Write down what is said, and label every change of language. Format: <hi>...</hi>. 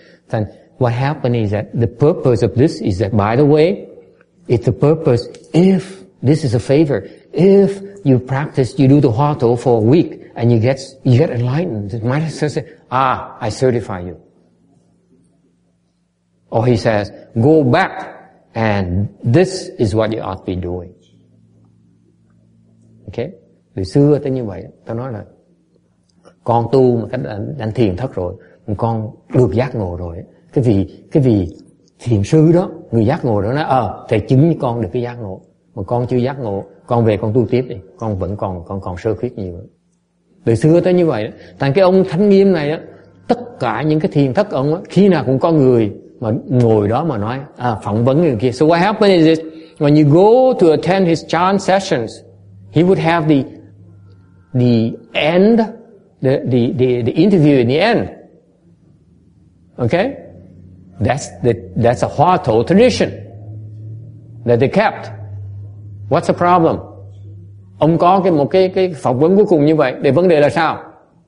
<en>Then what happened is that the purpose of this is that, by the way, it's the purpose, if this is a favor, if you practice, you do the hua tou for a week, and you get enlightened, the master says, ah, I certify you. Or he says, go back, and this is what you ought to be doing. Okay?</en> <vi>Từ xưa tới như vậy, ta nói là, con tu mà cách đánh thiền thất rồi, con được giác ngộ rồi. Cái vì thiền sư đó, người giác ngộ đó nói, ờ, thầy chứng với con được cái giác ngộ. Mà con chưa giác ngộ, con về con tu tiếp đi. Con vẫn còn, con còn sơ khuyết nhiều. Từ xưa tới như vậy đó. Tại cái ông Thánh Nghiêm này á, tất cả những cái thiền thất ông á, khi nào cũng có người mà ngồi đó mà nói, à, phỏng vấn người kia.</vi> <en>So what happened is this, when you go to attend his chan sessions, he would have the interview in the end. Okay? That's a Hua Tou tradition that they kept. What's the problem?</en> <vi>Ông có một cái phỏng vấn cuối cùng như vậy, để vấn đề là sao?</vi>